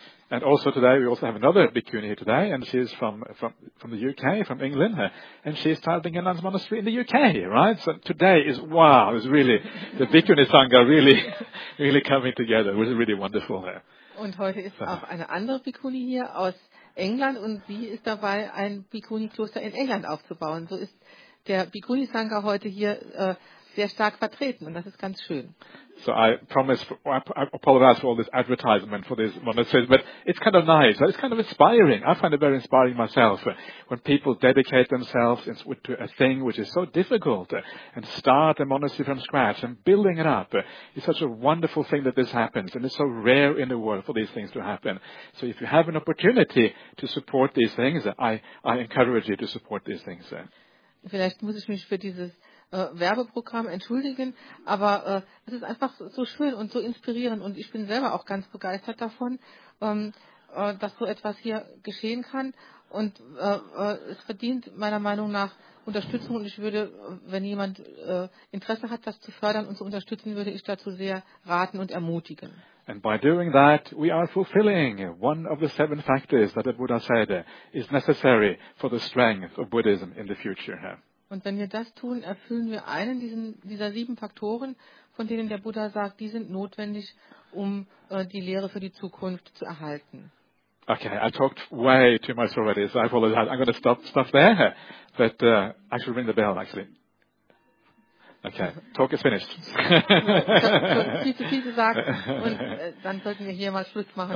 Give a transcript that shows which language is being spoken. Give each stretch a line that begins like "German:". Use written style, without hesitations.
English: And also today we also have another bhikkhuni here today, and she is from the UK, from England, and she is starting a nun's monastery in the UK, right? So today is, wow, it's really, the bhikkhuni sangha really, really coming together. It was really wonderful there.
German: Und heute ist auch eine andere Bhikkhuni hier aus England, und sie ist dabei, ein Bhikkhuni-Kloster in England aufzubauen. So ist der Bhikkhuni-Sangha heute hier sehr stark vertreten, und das ist ganz schön.
English: So I promise, I apologize for all this advertisement for this monastery, but it's kind of nice, it's kind of inspiring. I find it very inspiring myself, when people dedicate themselves to a thing which is so difficult, and start a monastery from scratch, and building it up. It's such a wonderful thing that this happens, and it's so rare in the world for these things to happen. So if you have an opportunity to support these things, I encourage you to support these things.
German: Vielleicht muss ich mich für dieses Werbeprogramm entschuldigen, aber es ist einfach so schön und so inspirierend, und ich bin selber auch ganz begeistert davon, dass so etwas hier geschehen kann, und es verdient meiner Meinung nach Unterstützung, und ich würde, wenn jemand Interesse hat, das zu fördern und zu unterstützen, würde ich dazu sehr raten und ermutigen.
English: And by doing that, we are fulfilling one of the seven factors that the Buddha said is necessary for the strength of Buddhism in the future.
German: Und wenn wir das tun, erfüllen wir einen dieser sieben Faktoren, von denen der Buddha sagt, die sind notwendig, um die Lehre für die Zukunft zu erhalten.
English: Okay, I talked way too much already, so I apologize. I'm going to stop there, but I should ring the bell, actually. Okay, talk is finished.
German: Viel zu viel gesagt, und dann sollten wir hier mal Schluss machen.